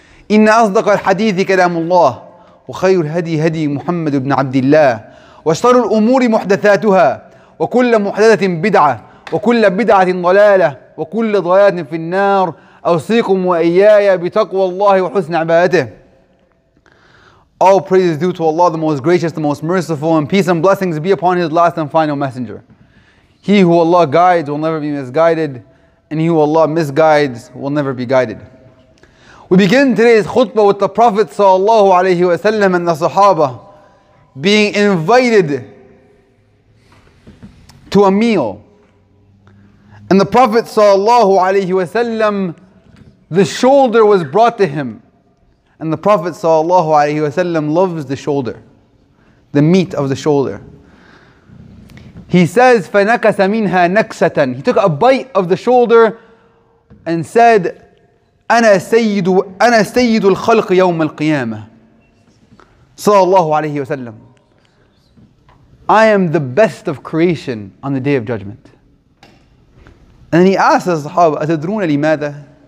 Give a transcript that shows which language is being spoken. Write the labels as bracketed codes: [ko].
[ar] إن أصدق الحديث كلام الله، وخير الهدي هدي محمد بن عبد الله، وشر الأمور محدثاتها، وكل محدثة بدعة، وكل بدعة ضلالة، وكل ضلالة في النار. أوصيكم وإياي بتقوى الله وحسن عبادته. [en] All praise is due to Allah, the most gracious, the most merciful, and peace and blessings be upon His last and final messenger. He who Allah guides will never be misguided, and he who Allah misguides will never be guided. We begin today's khutbah with the Prophet sallallahu alayhi wa sallam and the Sahaba being invited to a meal. And the Prophet sallallahu alayhi wa sallam, the shoulder was brought to him. And the Prophet sallallahu alayhi wa sallam loves the shoulder, the meat of the shoulder. He says, [ar] فَنَكَسَ مِنْهَا نَكْسَةً. [en] He took a bite of the shoulder and said, [ar] أَنَا سَيِّدُ الْخَلْقِ يَوْمَ الْقِيَامَةِ [en] sallallahu alayhi wa sallam. I am the best of creation on the Day of Judgment. And he asked the Sahaba, [ar] أَتَدْرُونَ لِمَاذَا?